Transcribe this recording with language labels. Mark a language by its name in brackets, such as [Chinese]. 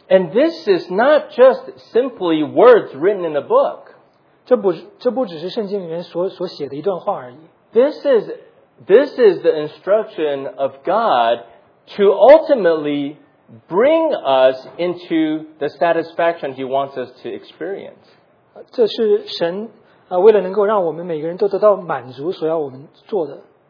[English] And this is not just simply words written in a book. [Chinese] 这不只是圣经里面所写的一段话而已。 [English] This is the instruction of God to ultimately. Bring us into the satisfaction he wants us to experience. [Chinese] 这是神、为了能够让我们每个人都得到满足所要我们做的。